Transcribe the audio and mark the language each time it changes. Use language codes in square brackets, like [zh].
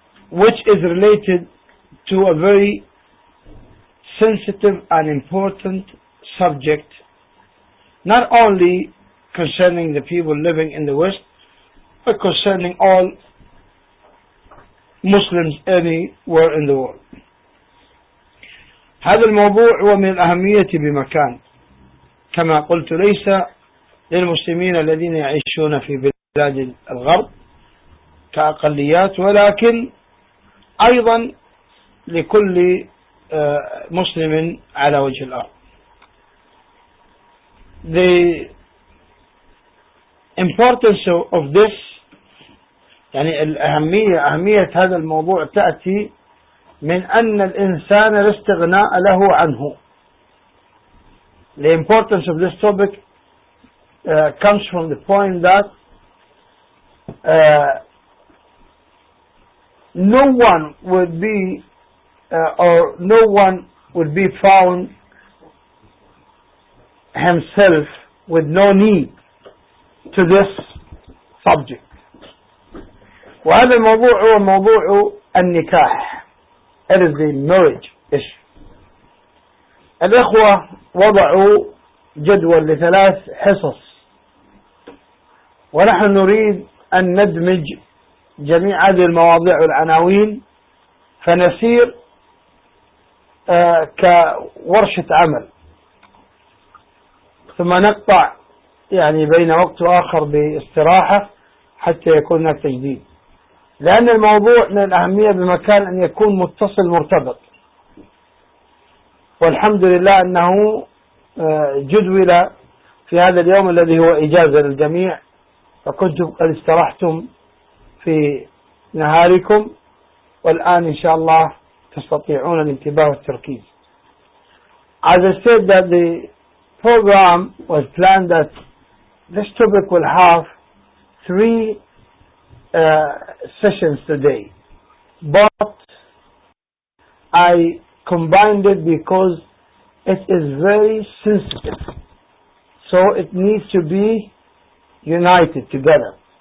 [en] which is related to a very sensitive and important subject, not only concerning the people living in the West, but concerning all Muslims anywhere in the world. [ar] هذا الموضوع هو من الأهمية بمكان، كما قلت ليس للمسلمين الذين يعيشون في بلاد الغرب كأقليات، ولكن أيضا لكل مسلم على وجه الأرض. [en] The importance of this، [ar] يعني أهمية هذا الموضوع تأتي من أن الإنسان لا استغناء له عنه. [en] The importance of this topic comes from the point that no one would be or no one would be found himself with no need to this subject. [ar] وهذا الموضوع هو موضوع النكاح. [en] It is the marriage issue. [ar] الإخوة وضعوا جدول لثلاث حصص ونحن نريد أن ندمج جميع هذه المواضيع والعناوين فنسير كورشة عمل ثم نقطع يعني بين وقت وآخر باستراحة حتى يكون هناك تجديد، لأن الموضوع من الأهمية بمكان أن يكون متصل مرتبط، والحمد لله أنه جدول في هذا اليوم الذي هو إجازة للجميع، فكنتم قد استرحتم في نهاركم، والآن إن شاء الله تستطيعون الانتباه والتركيز. [en] As I said that the program was planned that this topic will have three sessions today, but I combined it because it is very sensitive, so it needs to be united together.